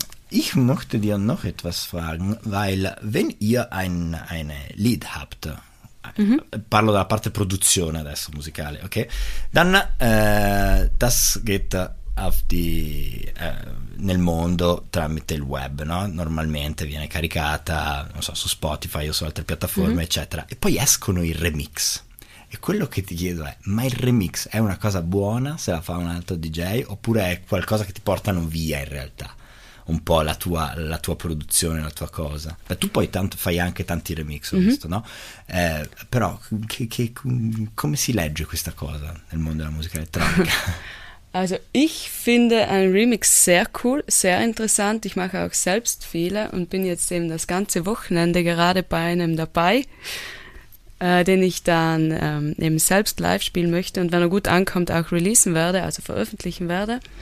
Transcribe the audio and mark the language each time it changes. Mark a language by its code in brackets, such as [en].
[de] Ich möchte dir noch etwas fragen, weil wenn ihr ein Lied habt, mhm. [it] parlo della parte produzione adesso, musicale, okay? [de] Dann das geht auf die, [it] nel mondo tramite il web, no? Normalmente viene caricata, non so, su Spotify o su altre piattaforme, mhm. eccetera, e poi escono i remix. E quello che ti chiedo è, ma il remix è una cosa buona se la fa un altro DJ oppure è qualcosa che ti portano via in realtà? Un po' la tua produzione, la tua cosa. Beh, tu poi tanto fai anche tanti remix, ho mm-hmm. visto, no? Però che come si legge questa cosa nel mondo della musica elettronica? [de] Also, ich finde un remix sehr cool, sehr interessant. Ich mache auch selbst viele und bin jetzt eben das ganze Wochenende gerade bei einem dabei. Den ich dann eben selbst live spielen möchte und wenn er gut ankommt, auch releasen werde, also veröffentlichen werde.